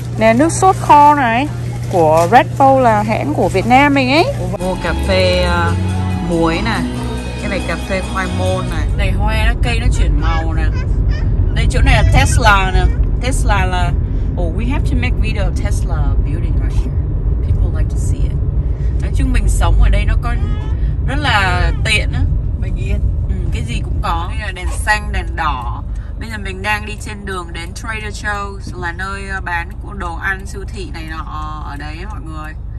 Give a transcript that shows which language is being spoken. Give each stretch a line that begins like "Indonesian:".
Vietnamese: Nè, nước sốt kho này của Red Bull là hãng của Việt Nam mình ấy. Mua cà phê muối này. Cái này cà phê khoai môn này. Này hoa nó cây nó chuyển màu nè. Đây chỗ này là Tesla nè. Tesla là...
English: Oh, we have to make video of Tesla building right here. People like to see it.
Vietnamese: Nói chung mình sống ở đây nó có rất là tiện á. Bình yên. Ừ, cái gì cũng có. Đây là đèn xanh, đèn đỏ. Bây giờ mình đang đi trên đường đến Trader Joe's, là nơi bán đồ ăn siêu thị này nọ ở đấy mọi người.